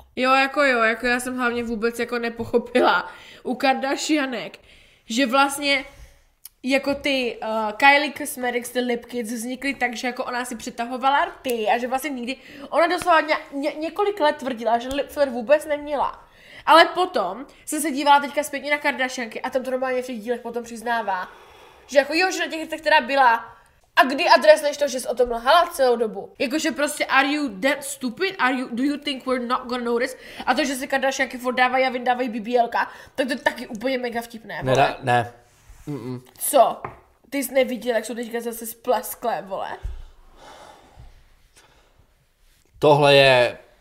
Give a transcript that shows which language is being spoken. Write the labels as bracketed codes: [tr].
[cs] Jo, jako já jsem hlavně vůbec jako nepochopila u Kardashianek, že vlastně jako ty Kylie Cosmetics, ty Lip Kids vznikly tak, že jako ona si přetahovala rty a že vlastně nikdy, ona doslova několik let tvrdila, že lip filler vůbec neměla. Ale potom jsem se dívala teďka zpětně na Kardashianky a tam to normálně v těch dílech potom přiznává, že jako jo, že na těch rtech teda byla, a kdy adresneš to, že jsi o tom lhala celou dobu. Jakože prostě, [en] are you that stupid? Do you think we're not gonna notice? [cs] A to, že se Kardashianky furt dávají a vyndávají BBLka, tak to je taky úplně mega vtipné. Ne. Mm-mm. Co? Ty jsi neviděl, jak jsou teďka zase splesklé, vole? Tohle je...